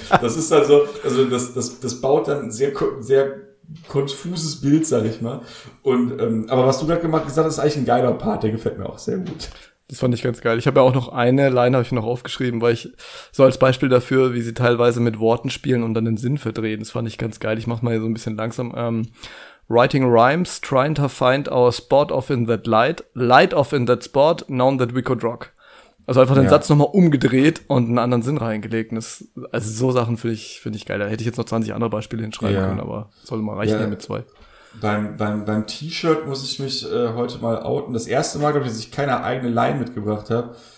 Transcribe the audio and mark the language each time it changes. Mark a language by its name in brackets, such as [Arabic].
[German] Das ist halt so, also das baut dann sehr, sehr konfuses Bild, sag ich mal. Und aber was du gerade gesagt hast, ist eigentlich ein geiler Part, der gefällt mir auch sehr gut. Das fand ich ganz geil. Ich habe ja auch noch eine Line, habe ich noch aufgeschrieben, weil ich so als Beispiel dafür, wie sie teilweise mit Worten spielen und dann den Sinn verdrehen, das fand ich ganz geil. Ich mach mal hier so ein bisschen langsam. [English] Writing rhymes, trying to find our spot off in that light off in that spot, known that we could rock. [German] Also einfach den Satz nochmal umgedreht und einen anderen Sinn reingelegt. Also so Sachen finde ich geil. Da hätte ich jetzt noch 20 andere Beispiele hinschreiben können, aber soll mal reichen mit zwei. Beim T-Shirt muss ich mich heute mal outen. Das erste Mal, glaube ich, dass ich keine eigene Line mitgebracht habe,